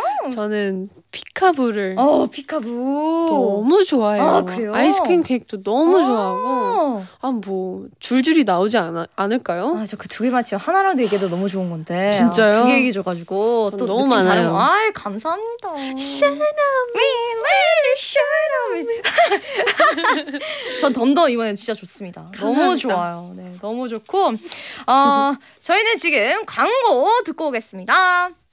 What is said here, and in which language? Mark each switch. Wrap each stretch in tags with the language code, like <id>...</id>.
<ko>저는 피카부를 피카부 너무 좋아해요. 아, 그래요? 아이스크림 케이크도 너무 좋아하고 아, 뭐 줄줄이 나오지 않을까요? 아, 저 그 두 개 맞죠. 하나라도 얘기해도 너무 좋은 건데. 진짜요? 두 개 얘기해 줘가지고 또 너무 많아요. 아이, 감사합니다.</ko> <en>Shine on me, let it shine on me.</en> <ko>전 덤덤 이번엔 진짜 좋습니다. 감사합니다. 너무 좋아요. 네, 너무 좋고 저희는 지금 광고 듣고 오겠습니다.</ko>